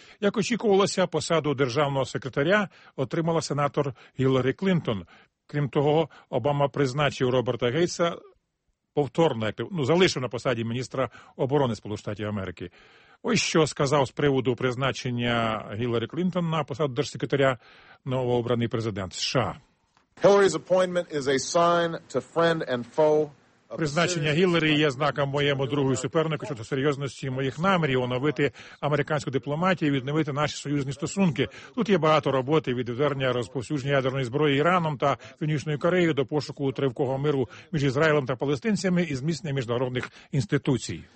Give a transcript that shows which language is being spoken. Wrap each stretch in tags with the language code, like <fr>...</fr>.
<uk>Як очікувалося, посаду державного секретаря отримала сенатор Гіларі Клінтон. Крім того, Обама призначив Роберта Гейтса повторно, залишив на посаді міністра оборони Сполучених Штатів Америки. Ось що сказав з приводу призначення Гіларі Клінтон на посаду держсекретаря новообраний президент США.</uk> <en>Hillary's appointment is a sign to friend and foe.</en> <uk>Призначення Гіллері є знаком моєму другому супернику щодо серйозності моїх намірів оновити американську дипломатію і відновити наші союзні стосунки. Тут є багато роботи від відвернення розповсюдження ядерної зброї Іраном та Північною Кореєю до пошуку тривкого миру між Ізраїлем та палестинцями і зміцнення міжнародних інституцій.</uk>